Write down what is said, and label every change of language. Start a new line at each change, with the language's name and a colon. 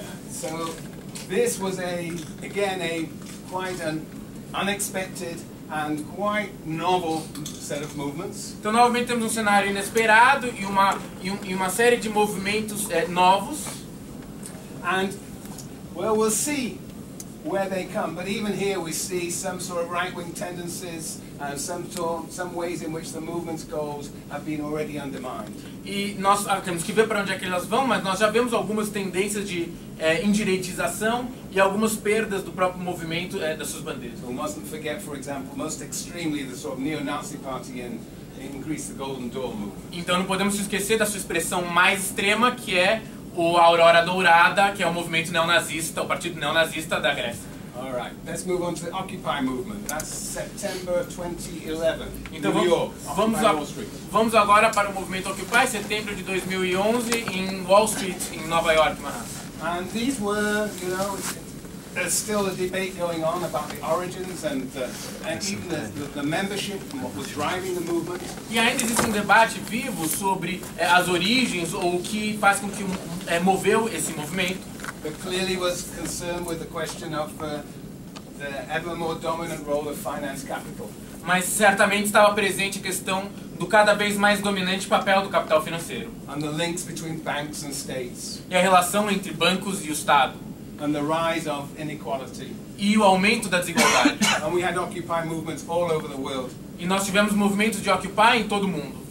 English: So this was a again a quite an unexpected and quite novel set of movements.
Portuguese: Então novamente temos um cenário inesperado e uma série de movimentos novos.
English: And well, we'll see where they come, but even here we see some sort of right-wing tendencies and some ways in which the movement's goals have been already undermined.
Portuguese: E nós temos que ver para onde é que elas vão, mas nós já vemos algumas tendências de indireitização e algumas perdas do próprio movimento das suas bandeiras.
English: We mustn't forget, for example, most extremely the sort of neo-Nazi party in Greece, the Golden Dawn movement.
Portuguese: Então não podemos esquecer da sua expressão mais extrema, que é o Aurora Dourada, que é o movimento neonazista, o partido neonazista da Grécia.
English: All right, let's move on to the Occupy movement. That's September 2011, então, New York.
Portuguese: Vamos agora para o movimento Occupy, setembro de 2011, em Wall Street, em Nova York, Manhattan.
English: And these were, you know, there's still a debate going on about the origins and even the membership and what was driving the movement.
Portuguese: E ainda existe um debate vivo sobre as origens ou o que faz com que moveu esse movimento.
English: But clearly was concerned with the question of the ever more dominant role of finance capital.
Portuguese: Mas certamente estava presente a questão do cada vez mais dominante papel do capital financeiro.
English: And the links between banks and states.
Portuguese: E a relação entre bancos e o Estado.
English: And the rise of inequality.
Portuguese: E o aumento da desigualdade.
English: And we had Occupy movements all over the world.
Portuguese: E nós tivemos movimentos de Occupy em todo o mundo.